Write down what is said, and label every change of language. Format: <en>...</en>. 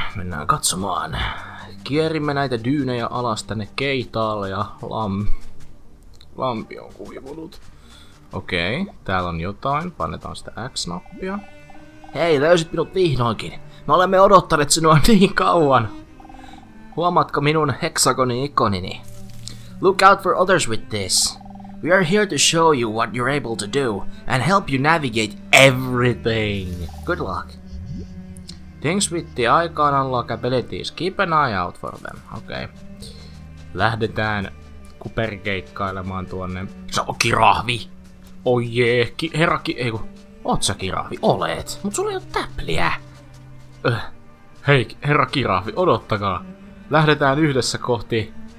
<fi>Mennään katsomaan. Kierimme näitä dyynejä alas tänne keitaalle ja lampi on kuivunut. Okei, okay, täällä on jotain. Pannetaan sitä X-nappia. Hei, löysit minut vihdoinkin. Me olemme odottaneet sinua niin kauan. Huomaatko minun heksagoni-ikonini?</fi> <en>Look out for others with this. We are here to show you what you're able to do and help you navigate everything. Good luck. Things with the icon unlock abilities. Keep an eye out for them. Okei. Okay.</en> <fi>Lähdetään kuperkeikkailemaan tuonne. Se on kirahvi. Oi jee, herra. Oot sä kirahvi? Olet, mut sulla ei oo täpliä! Hei, herra kirahvi, odottakaa! Lähdetään yhdessä kohti...</fi>